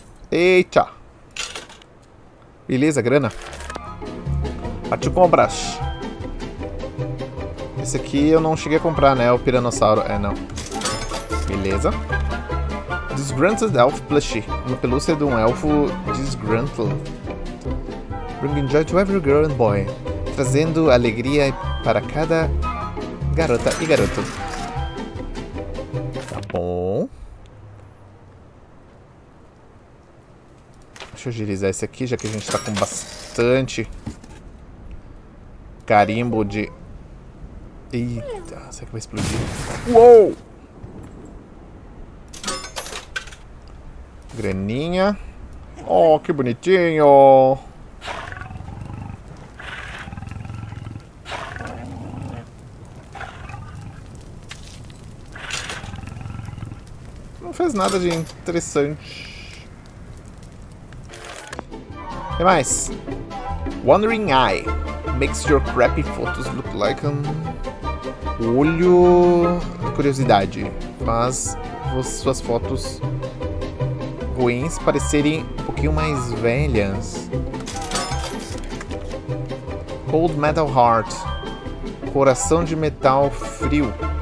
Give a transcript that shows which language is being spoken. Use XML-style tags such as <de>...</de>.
<pt>Eita. Beleza, grana. Partiu compras. Esse aqui eu não cheguei a comprar, né? O piranossauro. É, não. Beleza. Disgruntled Elf Plushie. Uma pelúcia de um elfo disgruntled.</pt> <en>Bringing joy to every girl and boy.</en> <pt>Trazendo alegria para cada garota e garoto. Tá bom. Deixa eu agilizar esse aqui, já que a gente tá com bastante carimbo de... Eita, será que vai explodir? Uou! Graninha. Oh, que bonitinho. faz nada de interessante. O que mais?</pt> <en>Wandering Eye makes your crappy photos look like an...</en> <pt>Olho... Curiosidade. Faz suas fotos ruins parecerem um pouquinho mais velhas. Cold Metal Heart. Coração de metal frio.</pt>